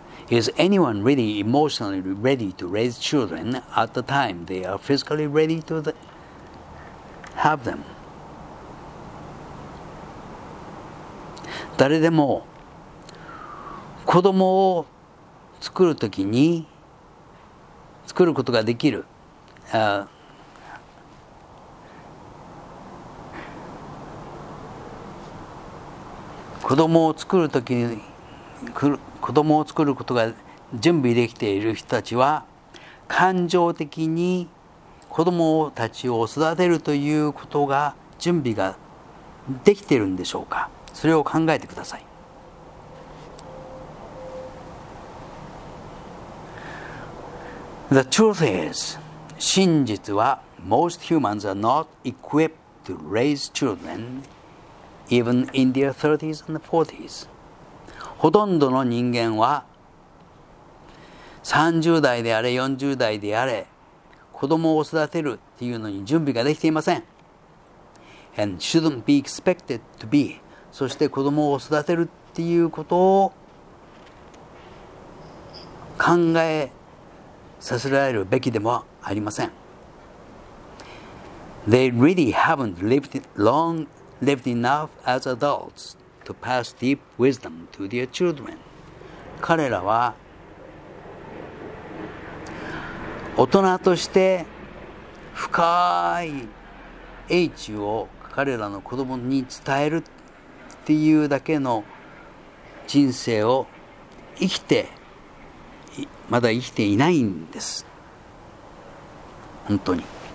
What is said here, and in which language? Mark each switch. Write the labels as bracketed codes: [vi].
[en] Is anyone really emotionally ready to raise children at the time they are physically ready to have them? [ja] 誰でも子供を作るときに作ることができる、子供を作るときに子供を作ることが準備できている人たちは、感情的に子供たちを育てるということが準備ができているんでしょうか。それを考えてください。 [en] The truth is, [ja] 真実は [en] most humans are not equipped to raise children even in their 30s and 40s. [ja] ほとんどの人間は30代であれ40代であれ子供を育てるっていうのに準備ができていません。 [en] And shouldn't be expected to be. [ja] そして子供を育てるっていうことを考えさせられるべきでもありません。 [en] They really haven't lived enough as adults to pass deep wisdom to their children. [ja] 彼らは大人として深い英知を彼らの子供に伝えるっていうだけの人生を生きてまだ生きていないんです。本当に。